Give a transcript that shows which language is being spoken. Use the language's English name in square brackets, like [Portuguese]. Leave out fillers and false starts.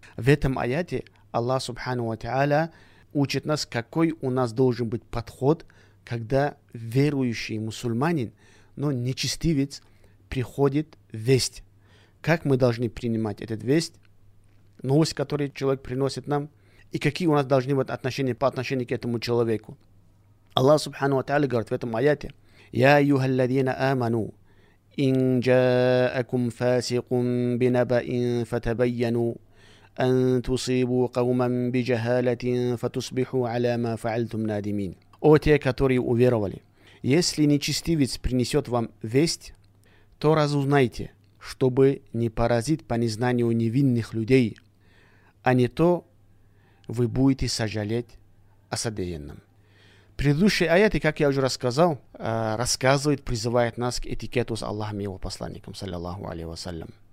[Russian] В этом аяте Аллах, Субхану ва Тааля, учит нас, какой у нас должен быть подход, когда верующий мусульманин, но нечестивец, приходит весть. Как мы должны принимать эту весть, новость, которую человек приносит нам, и какие у нас должны быть отношения по отношению к этому человеку. Аллах, Субхану ва Тааля, говорит в этом аяте, [Arabic] «Я айюха ладзина аману». إن جاءكم فاسق بنبأ فتبينوا أن تصيبوا قوما بجهالة فتصبحوا على ما فعلتم نادمين. [Russian] О те, которые уверовали, если нечестивец принесет вам весть, то разузнайте, чтобы не поразить по незнанию невинных людей, а не то вы будете сожалеть о содеянном. Предыдущие аяты, как я уже рассказал, рассказывает, призывает нас к этикету с Аллахом и его посланником, саллиллаху алейхи ва саллям.